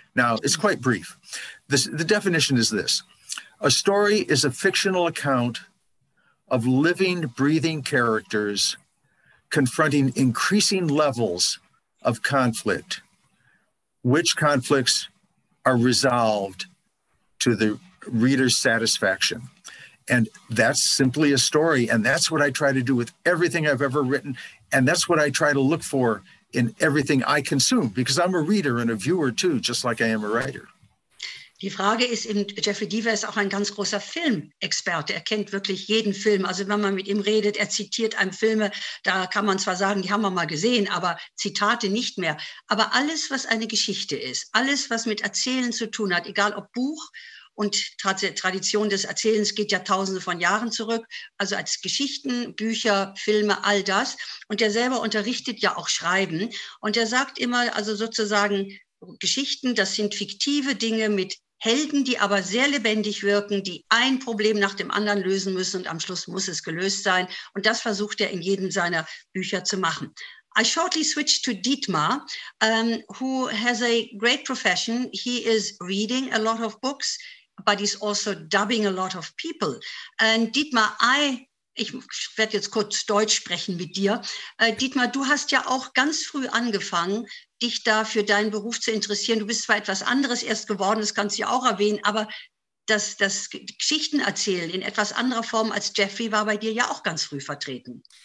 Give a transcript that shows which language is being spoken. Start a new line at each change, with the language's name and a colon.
English: Now, it's quite brief. The definition is this. A story is a fictional account of living, breathing characters confronting increasing levels of conflict, which conflicts are resolved to the reader's satisfaction. And that's simply a story. And that's what I try to do with everything I've ever written. And that's what I try to look for in everything I consume, because I'm a reader and a viewer too, just like I am a writer.
German: Die Frage ist eben, Jeffery Deaver ist auch ein ganz großer Filmexperte. Er kennt wirklich jeden Film. Also wenn man mit ihm redet, er zitiert einem Filme, da kann man zwar sagen, die haben wir mal gesehen, aber Zitate nicht mehr. Aber alles, was eine Geschichte ist, alles, was mit Erzählen zu tun hat, egal ob Buch und Tradition des Erzählens geht ja tausende von Jahren zurück, also als Geschichten, Bücher, Filme, all das. Und er selber unterrichtet ja auch Schreiben. Und er sagt immer, also sozusagen, Geschichten, das sind fiktive Dinge mit Helden, die aber sehr lebendig wirken, die ein Problem nach dem anderen lösen müssen und am Schluss muss es gelöst sein. Und das versucht er in jedem seiner Bücher zu machen.
English: I shortly switch to Dietmar, who has a great profession. He is reading a lot of books, but he's also dubbing a lot of people.
German: And Dietmar, ich werde jetzt kurz Deutsch sprechen mit dir. Dietmar, du hast ja auch ganz früh angefangen, dich da für deinen Beruf zu interessieren. Du bist zwar etwas anderes erst geworden, das kannst du ja auch erwähnen, aber das Geschichten erzählen in etwas anderer Form als Jeffery war bei dir ja auch ganz früh vertreten.